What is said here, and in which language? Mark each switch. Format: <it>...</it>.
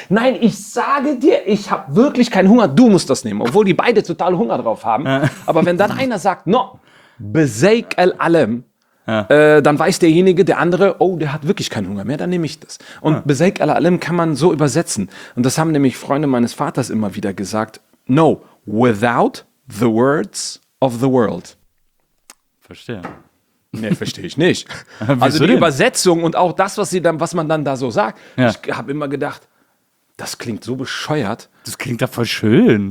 <de>Nein, ich sage dir, ich habe wirklich keinen Hunger, du musst das nehmen. Obwohl die beide total Hunger drauf haben. Aber wenn dann einer sagt, no,</de> <ar>beseik el alem.</ar> <de>Ja. Dann weiß derjenige, der andere, oh, der hat wirklich keinen Hunger mehr, dann nehme ich das. Und</de> <ar>beseik ala alem</ar> <de>kann man so übersetzen. Und das haben nämlich Freunde meines Vaters immer wieder gesagt.</de> <en>No, without the words of the world.</en> <de>Verstehe. Nee, verstehe ich nicht. Also die Übersetzung und auch das, was man dann da so sagt. Ja. Ich habe immer gedacht, das klingt so bescheuert. Das klingt doch voll schön.</de>